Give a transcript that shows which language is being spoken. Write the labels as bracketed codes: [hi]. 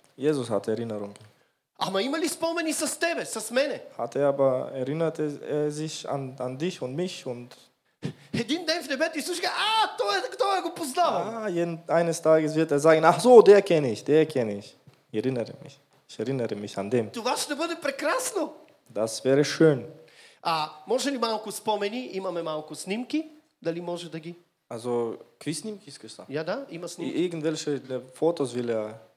[de] Jesus hat Erinnerungen. [bg] Ама има ли спомени с тебе, с мене? [de] Hat er aber erinnert sich an dich und mich und [bg] Един ден в небето Исус ще каже, а, той го познава. [de] Eines Tages wird er sagen, ach so, der kenne ich. Ich erinnere mich an dem. [bg] Това ще бъде прекрасно. [de] Das wäre schön. [bg] А може ли малко спомени? Имаме малко снимки. Дали може да ги? Also, какви снимки искаш да? Ja, да, има снимки. [de] Irgendwelche Fotos will er.